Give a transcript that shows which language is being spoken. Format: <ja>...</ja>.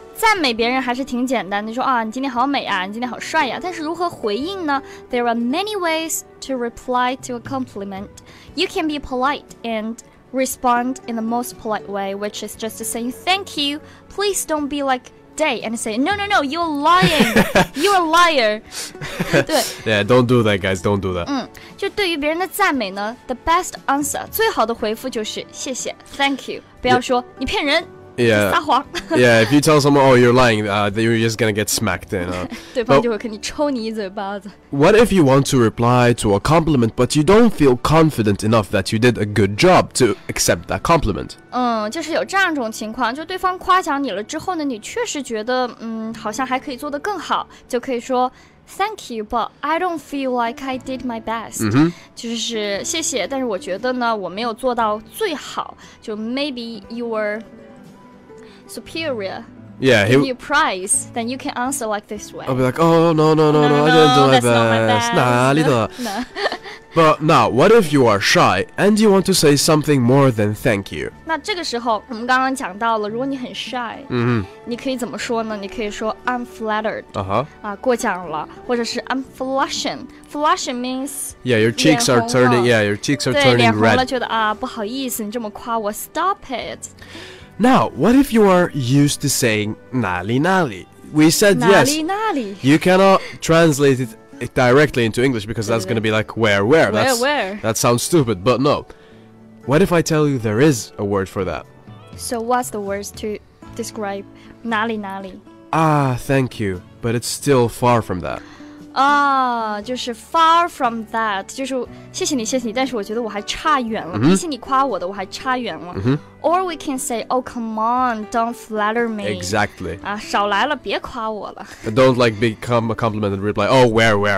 <zh>赞美别人还是挺简单的，说啊，你今天好美啊，你今天好帅呀。但是如何回应呢？</zh> <en>There are many ways to reply to a compliment. You can be polite and... respond in the most polite way, which is just saying thank you. Please don't be like Day and say no, you're lying. You're a liar. Yeah, don't do that, guys. Don't do that.</en> <zh>就对于别人的赞美呢</zh> <en>the best answer,</en> <zh>最好的回复就是谢谢</zh> <en>thank you.</en> <zh>不要说</zh> <en>yeah,</en> <zh>你骗人</zh> <en>yeah,</en> <zh>撒谎</zh> <en>Yeah, if you tell someone, oh, you're lying, you're just gonna get smacked in.</en> <zh>对方就会给你抽你一嘴巴子</zh> <en>What if you want to reply to a compliment, but you don't feel confident enough that you did a good job to accept that compliment?</en> <zh>就是有这样一种情况，就对方夸奖你了之后呢，你确实觉得好像还可以做得更好，就可以说</zh> <en>Thank you, but I don't feel like I did my best.</en> <zh>就是谢谢，但是我觉得呢，我没有做到最好，就</zh> <en>maybe you were superior. Yeah, if you prize, then you can answer like this way. I'll be like, oh, no, I didn't do my best. Not my best.</en> <zh>哪里的？</zh> <en>But now, what if you are shy and you want to say something more than thank you?</en> <zh>那这个时候，我们刚刚讲到了，如果你很 shy，你可以怎么说呢？你可以说</zh> <en>I'm flattered.</en> <zh>啊哈。啊，过奖了，或者是</zh> <en>I'm flushing. Flushing means yeah, your cheeks are turning. Yeah, your cheeks are turning red.</en> <zh>对，脸红了，觉得啊，不好意思，你这么夸我 ，</zh> <en>Stop it. Now, what if you are used to saying 哪里哪里？ We said yes.</en> <zh>哪里哪里</zh> <en>You cannot translate it directly into English because that's going to be like where. Where? That sounds stupid, but no. What if I tell you there is a word for that? So what's the word to describe 哪里哪里? Ah, thank you, but it's still far from that.</en> <zh>Ah, 就是</zh> <en>far from that.</en> <zh>就是谢谢你谢谢你但是我觉得我还差远了、</zh> <en>mm-hmm.</en> <zh>比起你夸我的我还差远了、</zh> <en>mm-hmm. Or we can say, oh, come on, don't flatter me. Exactly.</en> <zh>啊，少来了，别夸我了。</zh> <en>Don't like become a compliment and reply, oh, where.</en>